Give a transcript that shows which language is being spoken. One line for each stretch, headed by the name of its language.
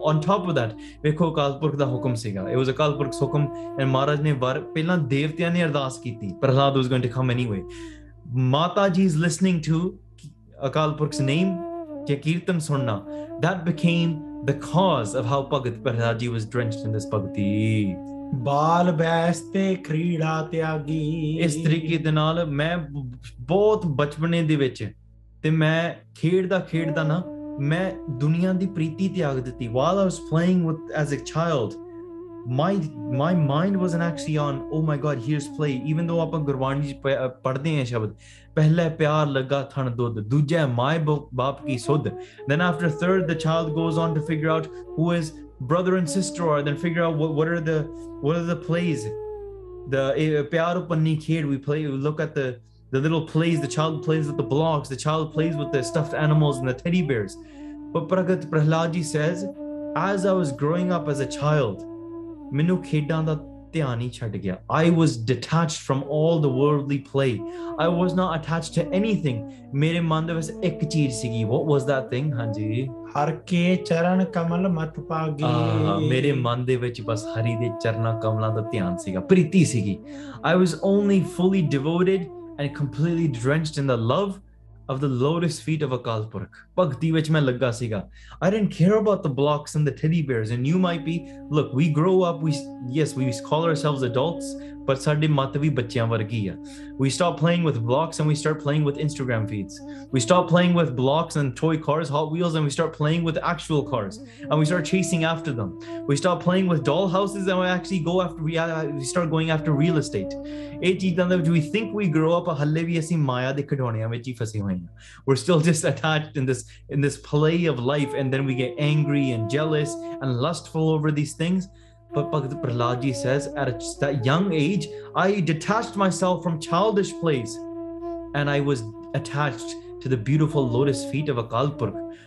English: On top of that,
Punjabi: vekho Akal Purakh da hukum siga.
English: It was Akal Purakh's hukum, and
Punjabi: Maharaj ne var pehla devtiyan ne ardas kiti.
English: Prahlad was going to come anyway. Mata ji is listening to Akal Purakh's name,
Punjabi: ya kirtan sunna.
English: That became the cause of how Bhagat Prahlad ji was drenched in this bhakti.
Punjabi: ਬਾਲ ਬੈਸ ਤੇ ਕ੍ਰੀੜਾ ਤਿਆਗੀ। ਇਸ ਤਰੀਕੇ ਦੇ ਨਾਲ ਮੈਂ ਬਹੁਤ ਬਚਪਨੇ ਦੇ ਵਿੱਚ ਤੇ ਮੈਂ ਖੇਡਦਾ ਨਾ ਮੈਂ ਦੁਨੀਆਂ ਦੀ ਪ੍ਰੀਤੀ ਤਿਆਗ ਦਿੱਤੀ।
English: While I was playing with as a child, my mind wasn't actually on, oh my god, here's play. Even though
Punjabi: ਆਪਾਂ ਗੁਰਬਾਣੀ ਚ ਪੜ੍ਹਦੇ ਹਾਂ ਸ਼ਬਦ, ਪਹਿਲਾ ਪਿਆਰ ਲੱਗਾ ਥਣ ਦੁੱਧ, ਦੂਜਾ ਮਾਏ ਬਾਪ ਕੀ ਸੁੱਧ,
English: then after third the child goes on to figure out who is brother and sister are, then figure out what are the plays, the pyar upanni kheed, we play, we look at the little plays, the child plays with the blocks, the child plays with the stuffed animals and the teddy bears. But Prakash Prahlad ji says, as I was growing up as a child,
Punjabi: mainu khedan da dhyan hi chhad gaya,
English: I was detached from all the worldly play, I was not attached to anything.
Punjabi: Mere mann de vich ik cheez sigi,
English: what was that thing?
Punjabi: Hanji, ਹਰ ਕੇ ਚਰਨ ਕਮਲ ਮਤ ਪਾਗੀ। ਮੇਰੇ ਮਨ ਦੇ ਵਿੱਚ ਬਸ ਹਰੀ ਦੇ ਚਰਨਾਂ ਕਮਲਾਂ ਦਾ ਧਿਆਨ ਸੀਗਾ, ਪ੍ਰੀਤੀ ਸੀਗੀ।
English: I was only fully devoted and completely drenched in the love of the lotus feet of Akal Purakh.
Punjabi: ਭਗਤੀ ਵਿੱਚ ਮੈਂ ਲੱਗਾ ਸੀਗਾ।
English: I didn't care about the blocks and the teddy bears. And you might be, look, we grow up, we call ourselves adults, but
Punjabi: ਸਾਡੇ ਮਤ ਵੀ ਬੱਚਿਆਂ ਵਰਗੀ ਆ।
English: We stop playing with blocks and we start playing with Instagram feeds. We stop playing with blocks and toy cars, Hot Wheels, and we start playing with actual cars. And we start chasing after them. We stop playing with doll houses and we start going after real estate. Do we think we grow up a
Punjabi: ਹਲੇ ਵੀ ਅਸੀਂ ਮਾਇਆ ਦੇ ਖਿਡੌਣਿਆਂ ਵਿੱਚ ਹੀ ਫਸੇ ਹੋਏ ਹਾਂ?
English: We're still just attached in this play of life, and then we get angry and jealous and lustful over these things. But Bhagat Prahlad ji says, at that young age, I detached myself from childish plays and I was attached to the beautiful lotus feet of Akal Purakh.